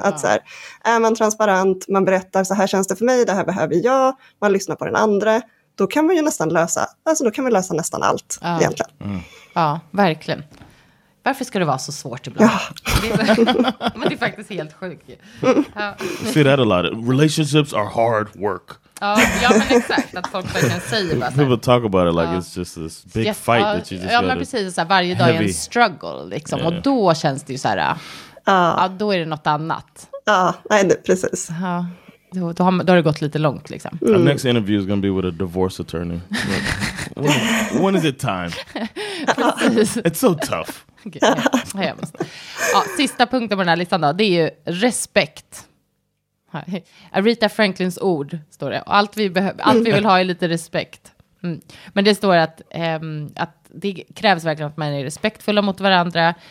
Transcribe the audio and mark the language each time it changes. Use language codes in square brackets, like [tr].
[sv] Att så här, är man transparent, man berättar så här känns det för mig, det här behöver jag. Man lyssnar på den andra. Då kan man ju nästan lösa, alltså då kan man lösa nästan allt egentligen. Ja, verkligen. Varför ska det vara så svårt ibland? Ja. Men det är faktiskt helt sjukt. [en] You see that a lot. Relationships are hard work. [sv] Ja, men exakt. Att folk verkligen säger bara såhär. [en] People talk about it like it's just this big fight that you just got. [sv] Ja, men precis. Såhär, varje dag heavy. Är en struggle. Liksom, och då känns det ju så här. Ja, då är det något annat. Ja, nej, precis. Ja. Då har det gått lite långt liksom. [en] Our next interview is going to be with a divorce attorney. When is it time? It's so tough. Okay. [sv] Ja, sista punkten på den här listan då, det är ju respekt. Aretha Franklins ord står det. Allt vi vill ha är lite respekt. Men det står att, att det krävs verkligen att man är respektfulla mot varandra.